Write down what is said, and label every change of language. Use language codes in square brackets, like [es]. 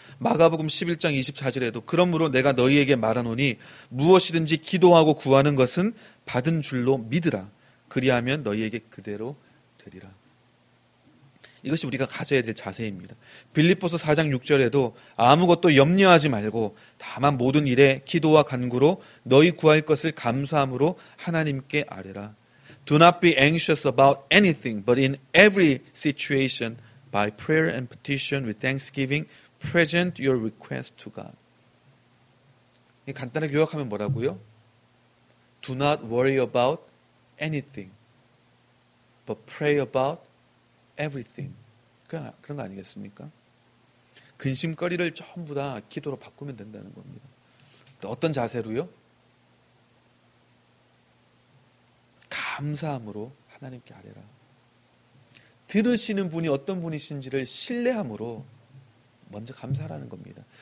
[ko] 마가복음 11장 24절에도 그러므로 내가 너희에게 말하노니 무엇이든지 기도하고 구하는 것은 받은 줄로 믿으라. 그리하면 너희에게 그대로 되리라. 이것이 우리가 가져야 될 자세입니다. 빌립보서 4장 6절에도 아무것도 염려하지 말고 다만 모든 일에 기도와 간구로 너희 구할 것을 감사함으로 하나님께 아뢰라. [en] Do not be anxious about anything, but in every situation, by prayer and petition with thanksgiving, present your request to God. [ko] 간단하게 요약하면 뭐라고요? [en] Do not worry about anything, but pray about everything. [ko] 그런 거 아니겠습니까? 근심거리를 전부 다 기도로 바꾸면 된다는 겁니다. 어떤 자세로요? 감사함으로 하나님께 아뢰라. 들으시는 분이 어떤 분이신지를 신뢰함으로 먼저 감사하라는 겁니다.